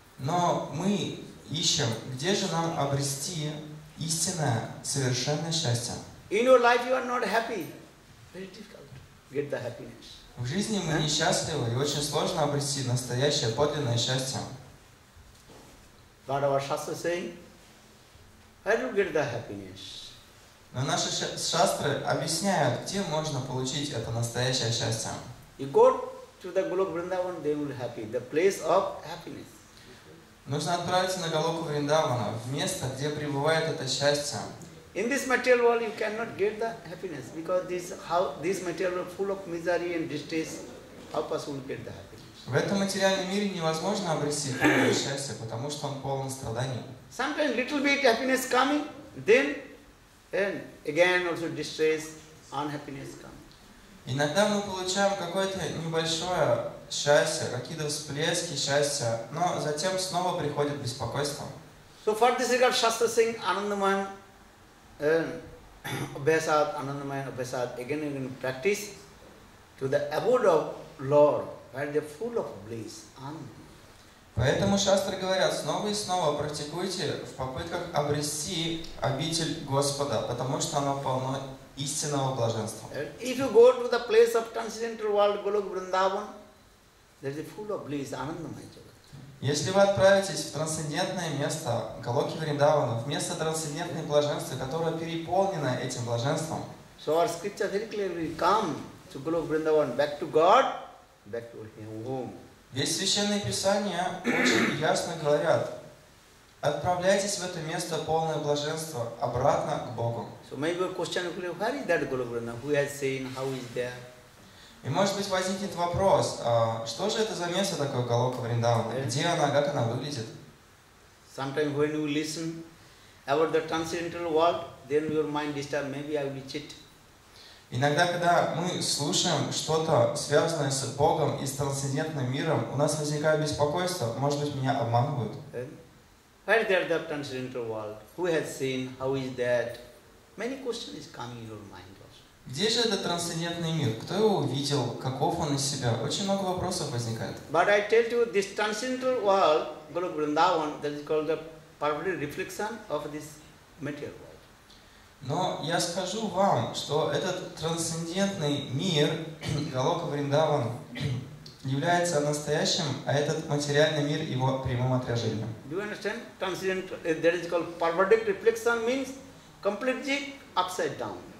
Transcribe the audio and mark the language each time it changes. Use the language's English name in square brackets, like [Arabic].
[Russian] Но мы ищем, где же нам обрести истинное совершенное счастье. [English] In your life you are not happy. Very difficult to get the happiness. [Russian] В жизни мы несчастливы, и очень сложно обрести настоящее подлинное счастье. [English] Bhagavad Shastra saying, how do you get the happiness? [Russian] Но наши шастры объясняют, где можно получить это настоящее счастье. [English] You go to the Golok Vrindavan, they will be happy. The place of happiness. [Russian] Нужно отправиться на Голоку Вриндавана, в место, где пребывает это счастье. [English] In this material world you cannot get the happiness because this material world full of misery and distress. How possible get the happiness? [Russian] В этом материальном мире невозможно обрести полное счастье, потому что он полон страданий. [English] Sometimes little bit happiness coming, then again also distress, unhappiness comes. [Russian] Иногда мы получаем какое-то небольшое счастье, какие-то всплески счастья, но затем снова приходит беспокойство. [English] So for this regard, Shastra saying, [Sanskrit] Anandamayam Abhyasat, Anandamayam Abhyasat, [English] again and again practice to the abode of Lord, where they are full of bliss, Anandamayam. [Russian] Поэтому шастры говорят, снова и снова практикуйте в попытках обрести обитель Господа, потому что оно полно истинного блаженства. [English] If you go to the place of transcendental world, Golok Vrindavan, there is full of bliss, Anandamaya Jagat. [Russian] Если вы отправитесь в трансцендентное место, Голоки Вриндавана, в место трансцендентной блаженства, которое переполнено этим блаженством. [English] So our scripture very clearly come to Golok Vrindavan, back to God, back to His home. [Russian] Весь Священное Писание очень ясно говорят, отправляйтесь в это место полное блаженство, обратно к Богу. [English] So maybe question will be, where is that Golok Vrindavan? Who has seen? How is there? [Russian] И может быть возникнет вопрос, что же это за место такое Голока Вриндавана? Где она, как она выглядит? [English] Sometimes when you listen about the transcendental world, then your mind disturbed, maybe I will cheat. [Russian] Иногда, когда мы слушаем что-то, связанное с Богом и с трансцендентным миром, у нас возникает беспокойство, может быть, меня обманывают. [English] Where there the transcendental world? Who has seen? How is that? Many questions come in your mind also. [Russian] Где же этот трансцендентный мир? Кто его увидел? Каков он из себя? Очень много вопросов возникает. [English] But I tell you, this transcendental world, Golok Vrindavan, that is called the perfect reflection of this material world. [Russian] Но я скажу вам, что этот трансцендентный мир, Голока Вриндаван, является настоящим, а этот материальный мир его прямым отражением. [English] Do you understand? Transcendent, that is called parvadic reflection means completely upside down.